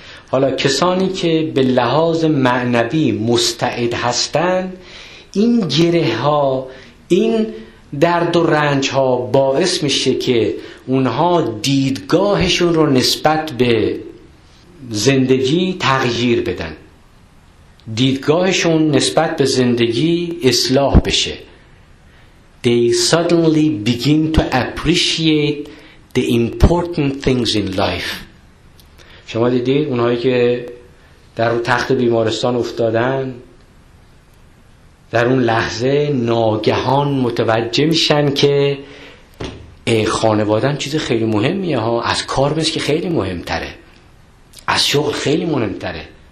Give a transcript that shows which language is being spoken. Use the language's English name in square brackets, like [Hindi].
[Persian] حالا کسانی که به لحاظ معنوی مستعد هستن این گره ها، این درد و رنج ها باعث میشه که اونها دیدگاهشون رو نسبت به زندگی تغییر بدن، دیدگاهشون نسبت به زندگی اصلاح بشه. [English] They suddenly begin to appreciate the important things in life. [Persian] شما دیدید اونهایی که در تخت بیمارستان افتادن در اون لحظه ناگهان متوجه میشن که خانوادن چیز خیلی مهمیه ها، از کار بس که خیلی مهمتره، از شغل خیلی مهمتره.